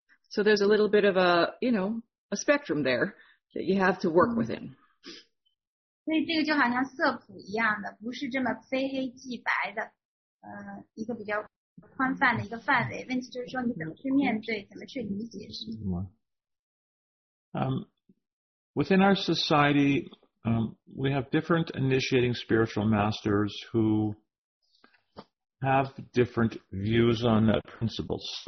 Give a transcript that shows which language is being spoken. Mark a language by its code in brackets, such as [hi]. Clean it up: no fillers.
[en] So there's a little bit of a, you know, a spectrum there that you have to work within. [zh] 所以这个就好像色谱一样的，不是这么非黑即白的，一个比较宽泛的一个范围。问题就是说，你怎么去面对，怎么去理解是什么？ [en] Within our society, we have different initiating spiritual masters who have different views on the principles.